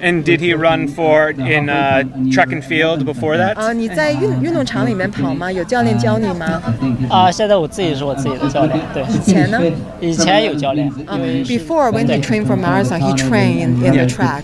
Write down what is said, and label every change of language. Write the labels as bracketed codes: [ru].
[en] And did he run for in track and field before that? [zh] 你在运动场里面跑吗？有教练教你吗？现在我自己是我自己的教练，对。以前呢？以前有教练，因为。Before [en] when he trained for marathon, he trained in the track.